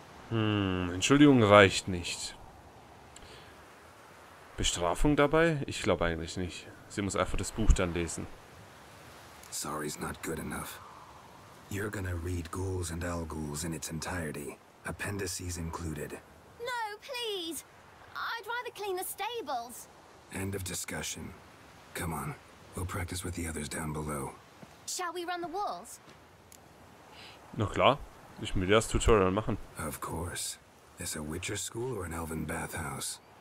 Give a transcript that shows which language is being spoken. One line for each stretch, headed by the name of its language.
German: Entschuldigung reicht nicht. Bestrafung dabei? Ich glaube eigentlich nicht. Sie muss einfach das Buch dann lesen.
English: Sorry's not good enough. You're gonna read Ghouls and Owl Ghouls in its entirety, appendices included. No, please. I'd rather clean the stables. End of discussion. Come on. We'll practice with the others down below. Shall we run the walls?
German: Na klar, ich will das Tutorial machen.
English: Of course. Is a Witcher school or an Elven bathhouse?